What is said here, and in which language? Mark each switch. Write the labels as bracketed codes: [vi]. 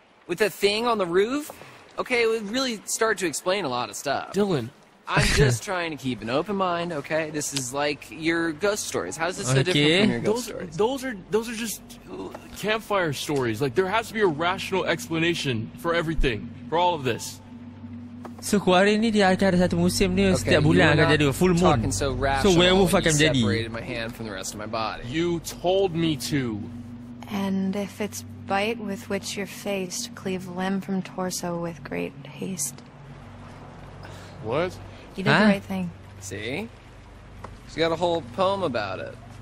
[en] With the thing on the roof? Okay, it would really start to explain a lot of stuff. Dylan. I'm just trying to keep an open mind, okay? This is like your ghost stories. How is this so different from your ghost stories? Those are just campfire stories. Like, there has to be a rational explanation for everything. For all of this. [ms] So, Quarry ni dia akan ada satu musim ni okay, setiap bulan akan jadi [en] full moon. [ms] So, werewolf akan jadi. [en] You separated my hand from the rest of my body. You told me to. And if it's bite with which you're faced, cleave limb from torso with great haste. What? You did the right thing. See? She's got a whole poem about it.